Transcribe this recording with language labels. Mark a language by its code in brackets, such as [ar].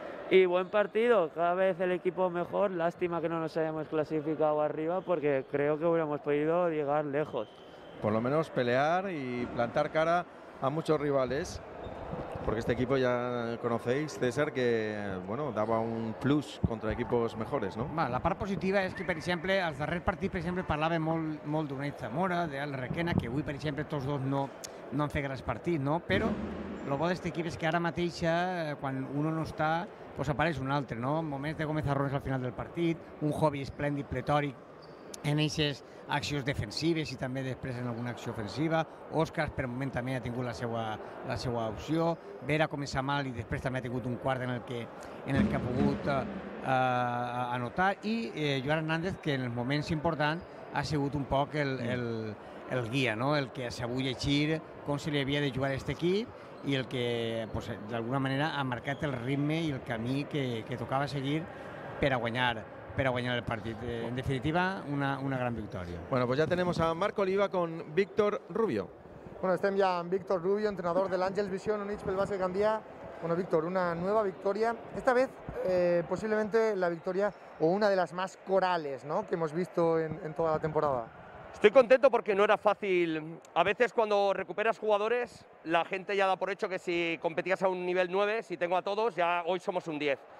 [es] Y buen partido, cada vez el equipo mejor. Lástima que no nos hayamos clasificado arriba, porque creo que hubiéramos podido llegar lejos. Por lo menos pelear y plantar cara a muchos rivales. Porque este equipo ya conocéis, César, que bueno, daba un plus contra equipos mejores, ¿no? [ca] Bueno, la part positiva és que, per exemple, els darrers partits, per exemple, parlava molt d'Unai Zamora, d'Al Requena, que avui, per exemple, tots dos no han fet grans partits, no? Però el bo d'aquest equip és que ara mateix, quan uno no està, pues apareix un altre, no? Moments de Gómez Arrones al final del partit, un hobby esplèndid, pletòric, en aquestes accions defensives i també després en alguna acció ofensiva. Òscar, per un moment, també ha tingut la seva opció. Vera comença mal i després també ha tingut un quart en el que ha pogut anotar. I Joan Hernández, que en els moments importants ha sigut un poc el guia, no? El que ha sabut llegir com se li havia de jugar a aquest equip i el que, pues, d'alguna manera, ha marcat el ritme i el camí que tocava seguir per a guanyar el partit. En definitiva, una gran victòria. [es] Bueno, pues ya tenemos a Marc Oliva con Víctor Rubio. [ca] Bueno, estem ja amb Víctor Rubio, entrenador de l'Àngels Visión Units pel Bàsquet Gandia. [es] Bueno, Víctor, una nueva victoria. Esta vez, posiblemente la victoria o una de las más corales, ¿no?, que hemos visto en toda la temporada. Estoy contento porque no era fácil. A veces cuando recuperas jugadores, la gente ya da por hecho que si competías a un nivel 9, si tengo a todos, ya hoy somos un 10.